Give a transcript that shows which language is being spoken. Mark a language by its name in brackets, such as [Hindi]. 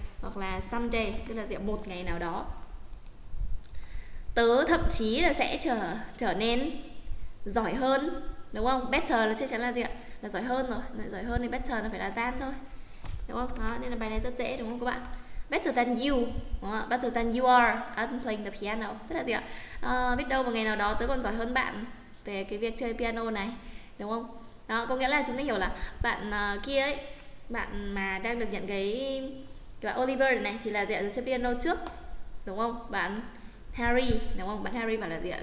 [Vietnamese] Hoặc là someday, tức là gì ạ? Một ngày nào đó. Tớ thậm chí là sẽ trở nên giỏi hơn, đúng không? Better là chắc chắn là gì ạ? Là giỏi hơn rồi. Giỏi hơn thì better nó phải là than thôi, đúng không? Đó, nên là bài này rất dễ, đúng không các bạn? [English] Better than you, [Vietnamese] đúng không ạ? [English] Better than you are at playing the piano. [Vietnamese] Tức là gì ạ? Biết đâu một ngày nào đó tớ còn giỏi hơn bạn về cái việc chơi piano này, đúng không? Đó, có nghĩa là chúng ta hiểu là bạn kia ấy, bạn mà đang được nhận cái bạn Oliver này thì là gì ạ? Chơi piano trước, đúng không? Bạn Harry, đúng không? Bạn Harry bảo là gì ạ?